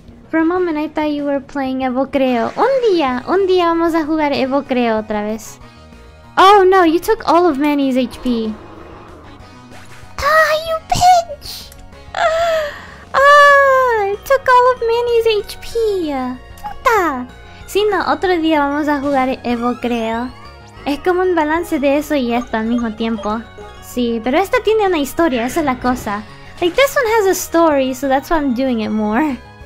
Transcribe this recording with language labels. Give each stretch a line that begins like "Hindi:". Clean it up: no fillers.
English: For a moment, I thought you were playing Evocreo.
Spanish: Un día vamos a jugar Evocreo otra vez.
English: Oh no, you took all of Manny's HP. Ah, you bitch! I took all of Manny's HP. Puta!
Spanish: Sí, no, otro día vamos a jugar Evocreo. Es como un balance de eso y esto al mismo tiempo. Sí, pero esta tiene una historia, esa es la cosa.
English: Like, this one has a story, so that's why I'm doing it more.